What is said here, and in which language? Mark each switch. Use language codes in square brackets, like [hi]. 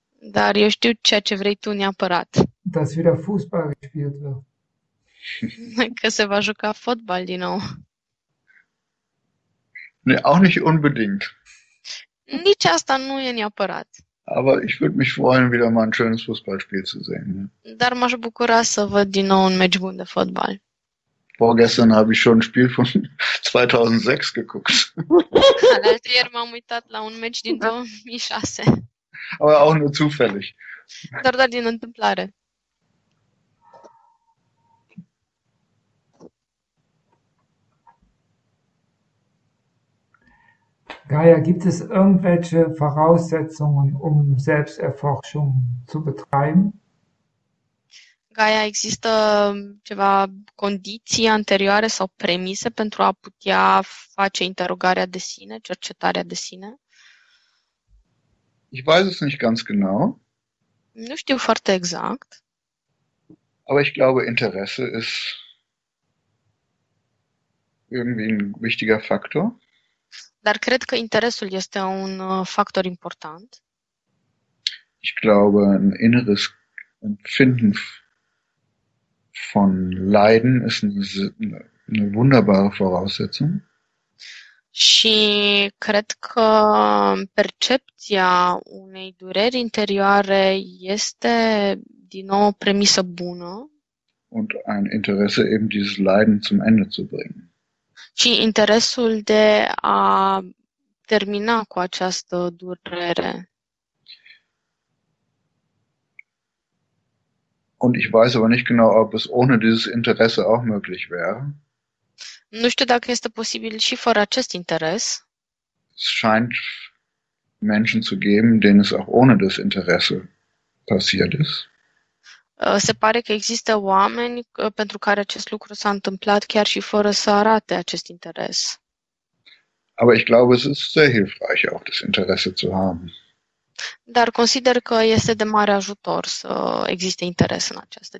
[ro] Dar eu știu ceea ce vrei tu neapărat. [de] Dass wieder Fußball gespielt wird. [ro] Că se va juca fotbal din nou. [de] Nee, auch nicht unbedingt. [ro] Nici asta nu e neapărat. [de] Aber ich würde mich freuen, wieder mal ein schönes Fußballspiel zu sehen. [ro] Dar m-aș bucura să văd din nou un meci bun de fotbal. [de] Vorgestern habe ich schon ein Spiel von 2006 geguckt. [ro] Alaltăieri m-am uitat la un meci din 2006. [de] Aber auch nur zufällig. [ro] Dar din întâmplare. [de] Gaia, gibt es irgendwelche Voraussetzungen, um Selbsterforschung zu betreiben? [ro] Gaia, există ceva condiții anterioare sau premise pentru a putea face interogarea de sine, cercetarea de sine? [de] Ich weiß es nicht ganz genau, [ro] Nu știu foarte exact. [de] aber ich glaube, Interesse ist irgendwie ein wichtiger Faktor. [ro] Dar cred că interesul este un factor important. [de] Ich glaube, ein inneres Empfinden von Leiden ist eine wunderbare Voraussetzung. [ro] Și cred că percepția unei dureri interioare este din nou o premisă bună. [de] Und ein Interesse, eben dieses Leiden zum Ende zu bringen. [ro] Și interesul de a termina cu această durere. [de] Und ich weiß aber nicht genau, ob es ohne dieses Interesse auch möglich wäre. [ro] Nu știu dacă este posibil și fără acest interes. [de] Es scheint Menschen zu geben, denen es auch ohne das Interesse passiert ist. [ro] Se pare că există oameni pentru care acest lucru s-a întâmplat chiar și fără să arate acest interes. [de] Aber ich glaube, es ist sehr hilfreich, auch das Interesse zu haben. [ro] Dar consider că este de mare ajutor să existe interes în această